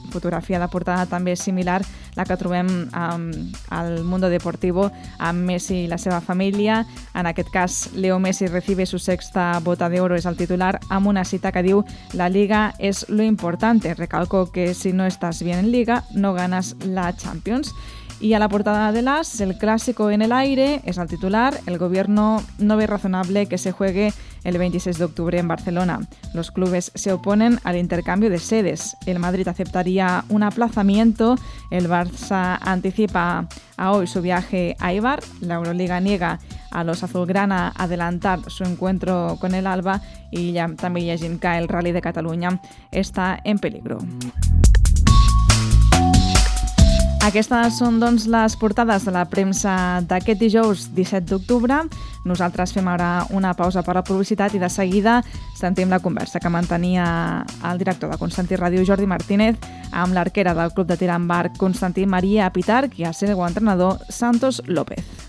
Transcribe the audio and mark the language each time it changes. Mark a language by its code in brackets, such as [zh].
[ca] Fotografia de portada també similar a la que trobem al Mundo Deportivo, amb Messi i la seva família. En aquest cas, Leo Messi [es] recibe su sexta bota d'oro, [ca] és el titular, amb una cita que diu: [es] la Liga es lo importante. Recalco que si no estás bien en Liga, no ganas la Champions. Y a la portada de l'As, el clásico en el aire, es el titular. El gobierno no ve razonable que se juegue el 26 de octubre en Barcelona. Los clubes se oponen al intercambio de sedes. El Madrid aceptaría un aplazamiento. El Barça anticipa a hoy su viaje a Eibar. La Euroliga niega a los azulgrana adelantar su encuentro con el Alba. Y ya también llegim que el Rally de Cataluña está en peligro. [ca] Aquestes són doncs les portades de la premsa d'aquest dijous 17 d'octubre. Nosaltres fem ara una pausa per la publicitat i de seguida sentim la conversa que mantenia el director de Constantí Ràdio, Jordi Martínez, amb l'arquera del club de tir amb arc, Constantí Maria Pitarch, i el seu entrenador, Santos López.